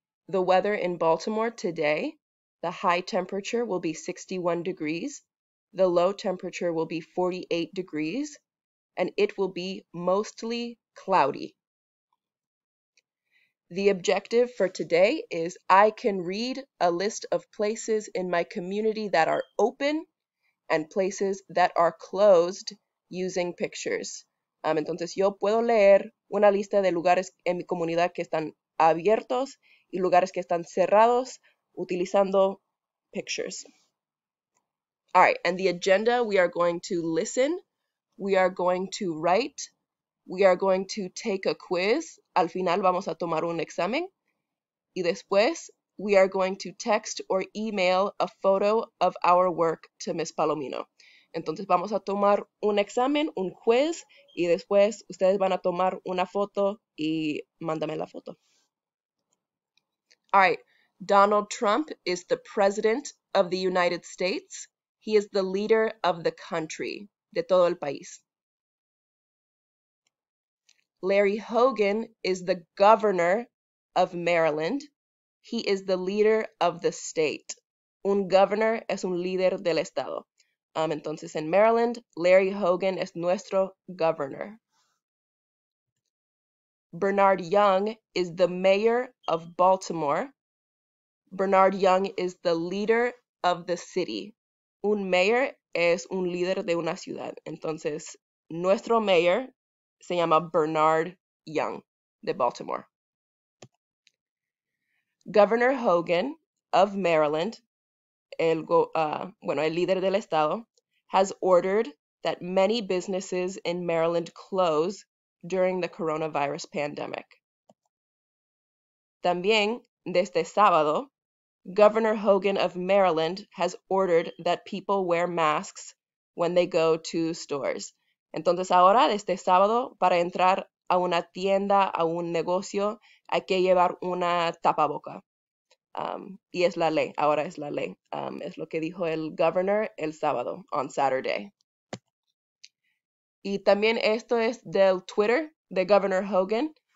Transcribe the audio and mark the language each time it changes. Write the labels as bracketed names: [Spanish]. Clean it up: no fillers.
[English] The weather in Baltimore today, the high temperature will be 61 degrees, the low temperature will be 48 degrees, and it will be mostly cloudy. The objective for today is I can read a list of places in my community that are open and places that are closed using pictures. [Spanish] Entonces, yo puedo leer una lista de lugares en mi comunidad que están abiertos y lugares que están cerrados utilizando pictures. [English] All right, and the agenda, we are going to listen, we are going to write, we are going to take a quiz. Al final vamos a tomar un examen. Y después, we are going to text or email a photo of our work to Miss Palomino. [Spanish] Entonces vamos a tomar un examen, un quiz, y después ustedes van a tomar una foto y mándame la foto. [English] All right, Donald Trump is the president of the United States. He is the leader of the country, de todo el país. Larry Hogan is the governor of Maryland. He is the leader of the state. Un governor es un líder del estado. [Spanish] Entonces, en Maryland, Larry Hogan es nuestro governor. [English] Bernard Young is the mayor of Baltimore. Bernard Young is the leader of the city. [Spanish] Un mayor es un líder de una ciudad. Entonces, nuestro mayor se llama Bernard Young de Baltimore. [English] Governor Hogan of Maryland, el líder del estado, has ordered that many businesses in Maryland close during the coronavirus pandemic. También, desde sábado, Governor Hogan of Maryland has ordered that people wear masks when they go to stores. [Spanish] Entonces ahora, desde sábado, para entrar a una tienda, a un negocio, hay que llevar una tapaboca. Y es la ley, ahora es la ley. Es lo que dijo el governor el sábado, on Saturday. Y también esto es del Twitter de Governor Hogan.